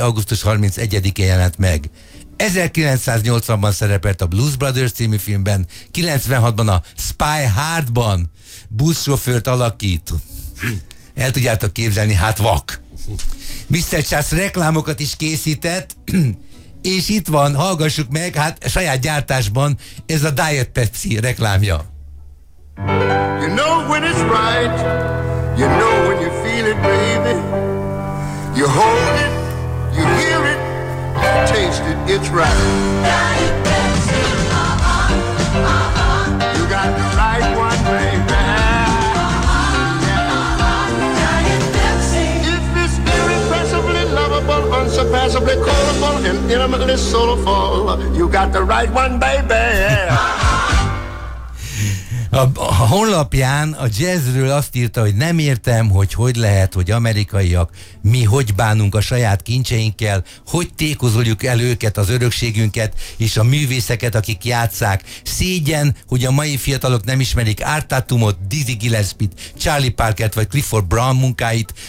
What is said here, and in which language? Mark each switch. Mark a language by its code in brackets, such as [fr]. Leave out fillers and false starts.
[hu] augusztus 31-én jelent meg. 1980-ban szerepelt a Blues Brothers című filmben, 96-ban a Spy Hardban buszsofőrt alakít. El tudjátok képzelni, hát vak. Mr. Charles reklámokat is készített, és itt van, hallgassuk meg, hát saját gyártásban ez a Diet Pepsi reklámja. [en] You know when it's right, you know when you feel it, baby. You hold it, you hear it. Taste it, it's right. Diet Pepsi, You got the right one, baby. Diet Pepsi. If it's irrepressibly lovable, unsurpassably callable, and intimately soulful, you got the right one, baby. [hu] A honlapján a jazzről azt írta, hogy nem értem, hogy lehet, hogy amerikaiak, mi hogy bánunk a saját kincseinkkel, hogy tékozoljuk el őket, az örökségünket és a művészeket, akik játsszák. Szégyen, hogy a mai fiatalok nem ismerik Art Tatumot, Dizzy Gillespie-t, Charlie Parkert vagy Clifford Brown munkáit.